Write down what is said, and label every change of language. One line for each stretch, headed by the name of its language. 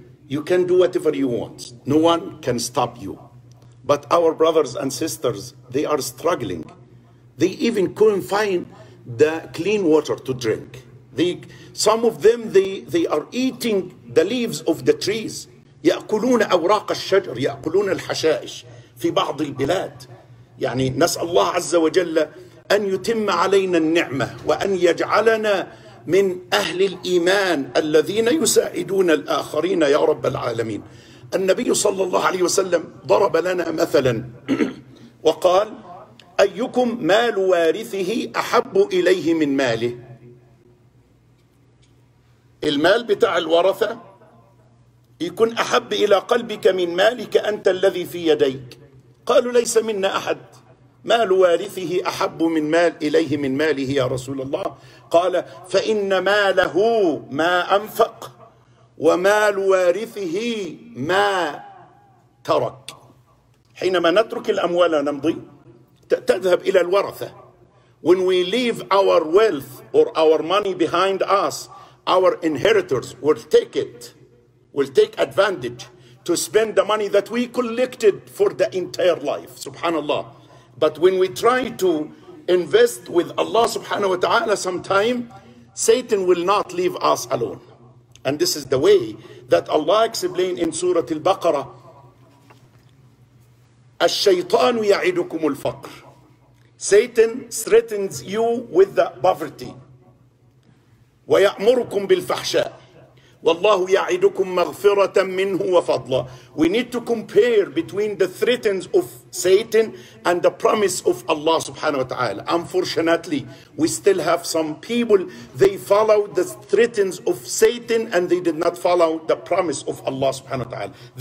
English: You can do whatever you want. No one can stop you. But our brothers and sisters, they are struggling. They even couldn't find the clean water to drink. Some of them, they are eating the leaves of the trees.
Arabic: يأكلون أوراق الشجر، يأكلون الحشائش في بعض البلاد. يعني نسأل الله عز وجل أن يتم علينا النعمة وأن يجعلنا من أهل الإيمان الذين يساعدون الآخرين يا رب العالمين. النبي صلى الله عليه وسلم ضرب لنا مثلا وقال أيكم مال وارثه أحب إليه من ماله؟ المال بتاع الورثة يكون أحب إلى قلبك من مالك أنت الذي في يديك. قالوا ليس منا أحد، مال وارثه أحب من مال إليه من ماله يا رسول الله. قال فإن ماله ما أنفق ومال وارثه ما ترك. حينما نترك الأموال نمضي، تذهب إلى الورثة.
English: When we leave our wealth or our money behind us, our inheritors will take advantage to spend the money that we collected for the entire life. Subhanallah. But when we try to invest with Allah subhanahu wa ta'ala sometime, Satan will not leave us alone. And this is the way that Allah explained in Surah Al-Baqarah.
Arabic: الشيطان يعدكم الفقر.
English: Satan threatens you with the poverty.
Arabic: ويأمركم بالفحشاء. والله يعدكم مغفرة منه وفضلا.
English: We need to compare between the threats of Satan and the promise of Allah subhanahu wa ta'ala. Unfortunately, we still have some people, they follow the threats of Satan and they did not follow the promise of Allah subhanahu wa ta'ala.